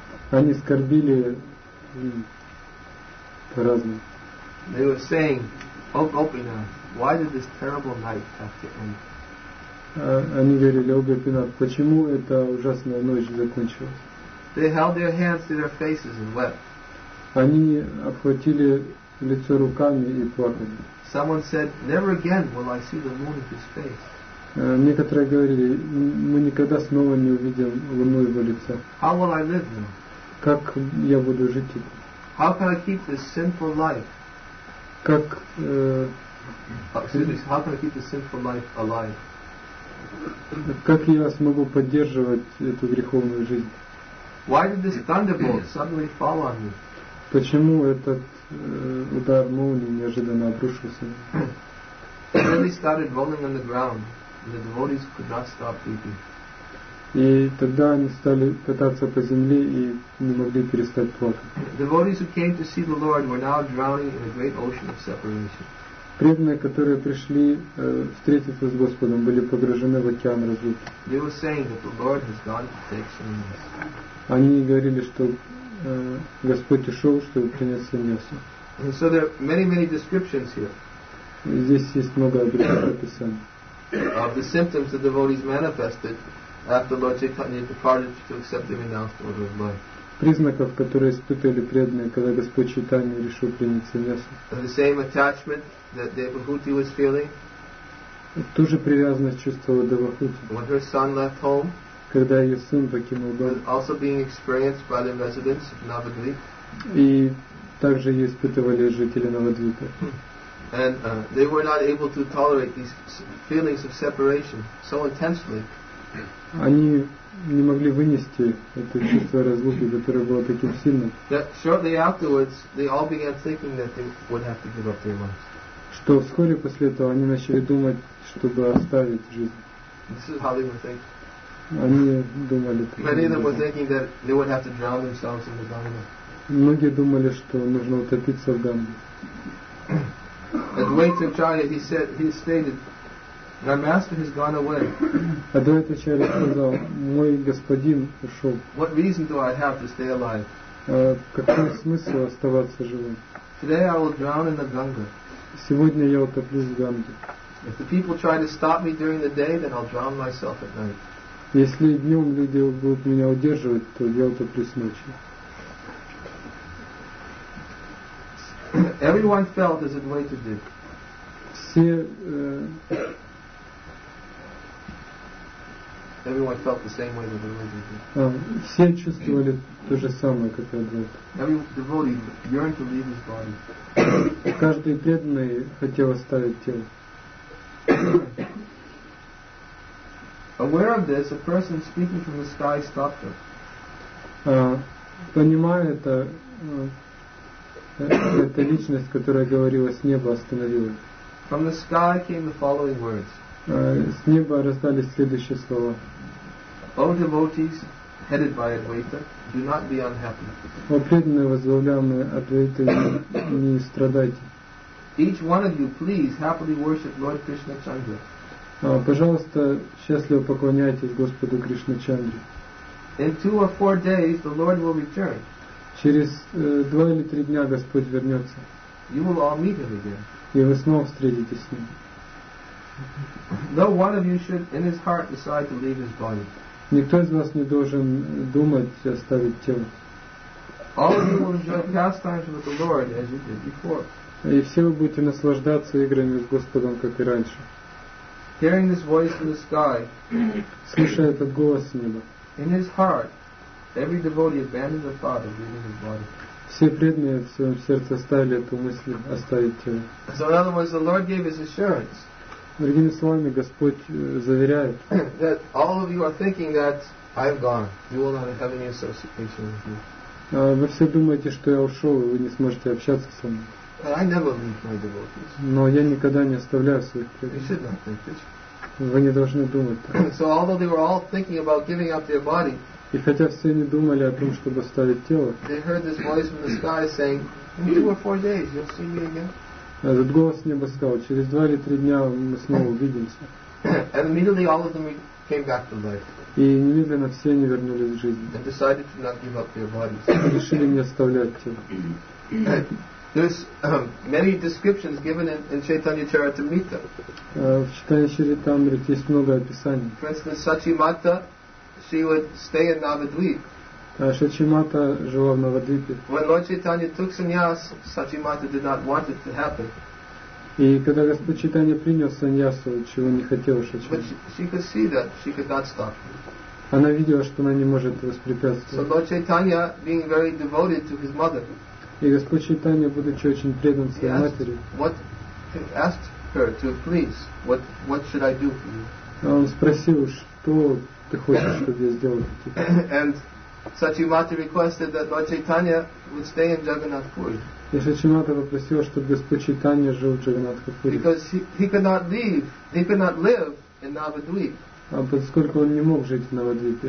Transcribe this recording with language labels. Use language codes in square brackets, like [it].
[ru] Они скорбили по-разному. [en] They were saying, "O Gopina, why did this terrible night have to end?" [ru] Они говорили, "О Гопина, почему эта ужасная ночь закончилась?" [en] They held their hands to their faces and wept. [ru] Они обхватили лицо руками и плакали. [en] Someone said, "Never again will I see the moon in his face." [ru] Некоторые говорили, мы никогда снова не увидим луну его лица. [en] How will I live now? [ru] Как я буду жить теперь? [en] How can I keep this sinful life? [ru] Как [en] How can I keep this sinful life alive? [ru] Как я смогу поддерживать эту греховную жизнь? [en] Why did this thunderbolt suddenly fall on me? [ru] Почему этот удар молнии неожиданно обрушился? [en] It really started rolling on the ground, and the devotees could not stop weeping. [ru] И тогда они стали кататься по земле и не могли перестать плакать. [en] Devotees who came to see the Lord were now drowning in a great ocean of separation. [ru] Преданные, которые пришли встретиться с Господом, были погружены в океан разлуки. [en] They were saying that the Lord has gone to take some rest. [ru] Они говорили, что Господь ушел, чтобы принять саньясу. [en] And so there are many, many descriptions here. [ru] Здесь есть много описаний. [en] Of the symptoms the devotees manifested after Lord Chaitanya departed to accept the renounced order of life. [ru] Признаков, которые испытывали преданные, когда Господь Чайтанья решил принять саньясу. [en] The same attachment that Devahuti was feeling. [ru] Ту же привязанность чувствовала Девахути. [en] When her son left home. [ru] Когда ее сын покинул дом. [en] Also being experienced by the residents of Navadvip. [ru] И также ее испытывали жители Навадвипа. [en] And they were not able to tolerate these feelings of separation so intensely. [ru] Они не могли вынести это чувство разлуки, которое было таким сильным. [en] That shortly afterwards, they all began thinking that they would have to give up their lives. [ru] Что вскоре после этого они начали думать, чтобы оставить жизнь. [en] This is how they were thinking. [ru] Они думали так. [en] Many of them were thinking that they would have to drown themselves in the Ganga. [ru] Многие думали, что нужно утопиться в Ганге. [en] Advaita Acharya, he stated, "My master has gone away." [ru] Advaita Acharya сказал, мой господин ушел. [en] What reason do I have to stay alive? [ru] Какой смысл оставаться живым? [en] Today I will drown in the Ganga. [ru] Сегодня я утоплюсь в Ганге. [en] If the people try to stop me during the day, then I'll drown myself at night. [ru] Если днем люди будут меня удерживать, то я утоплюсь ночью. [en] Everyone felt as Advaita did. [ru] Все. [en] Everyone felt the same way that Advaita did. [ru] Все чувствовали то же самое, как Advaita. [en] Every devotee yearned to leave his body. [ru] Каждый преданный хотел оставить тело. [en] Aware of this, a person speaking from the sky stopped them. [ru] Понимая это, эта личность, которая говорила с неба, остановила. [en] From the sky came the following words. [ru] С неба раздались следующие слова. [en] O devotees, headed by Advaita, do not be unhappy. [ru] О преданные, возглавляемые Адвайта, не страдайте. [en] Each one of you, please, happily worship Lord Krishna Chandra. [ru] Пожалуйста, счастливо поклоняйтесь Господу Кришна Чандре. [en] In two or four days, the Lord will return. [ru] Через два или три дня Господь вернется. [en] You will all meet him again. [ru] И вы снова встретитесь с ним. [en] Though one of you should in his heart decide to leave his body. [ru] Никто из вас не должен думать оставить тело. [en] All of you will enjoy pastimes with the Lord as you did before. [ru] И все вы будете наслаждаться играми с Господом, как и раньше. [en] Hearing this voice in the sky. [ru] Слушая этот голос с неба. [en] In his heart, every devotee abandoned the thought of leaving his body. [ru] Все преданные в своем сердце оставили эту мысль оставить тело. [en] So in other words, the Lord gave his assurance. [ru] Другими словами, Господь заверяет. [en] That all of you are thinking that I'm gone. You will not have any association with me. [ru] Вы все думаете, что я ушел, и вы не сможете общаться со мной. [en] But I never leave my devotees. [ru] Но я никогда не оставляю своих преданных. [en] You should not think this. [ru] Вы не должны думать так. [en] So although they were all thinking about giving up their body, [ru] и хотя все не думали о том, чтобы оставить тело, [en] they heard this voice from the sky saying, in 2 or 4 days, you'll see me again. [ru] Этот голос с неба сказал, через 2 или 3 дня мы снова увидимся. [en] And immediately all of them came back to life. [ru] И немедленно все они вернулись в жизнь. [en] And decided to not give up their bodies. [ru] Решили не оставлять тело. [en] There's many descriptions given in Chaitanya Charitamrita. [ru] В Чайтанья Чаритамрите есть много описаний. [en] For instance, Сачимата, she would stay in Навадвип. [ru] Шачимата жила в Навадвипе. [en] When Lord Chaitanya took sannyas, Сачимата did not want it to happen. [ru] И когда Господь Чайтанья принял саньясу, чего не хотел Шачимата. [en] But she could see that she could not stop. [ru] Она видела, что она не может воспрепятствовать. [en] So Lord Chaitanya, being very devoted to his mother. [ru] И Господь Чайтанья, будучи очень предан своей матери. [en] What he asked her to please, what should I do for you? [ru] Он спросил, что ты хочешь, чтобы я сделал для тебя? [en] And Сачимата requested that Lord Chaitanya would stay in Jagannath Puri. [ru] И Сачимата попросила, чтобы Господь Чайтанья жил в Джагнатх Пури. [en] Because he could not live in Навадвип. [ru] А поскольку он не мог жить в Навадвипе.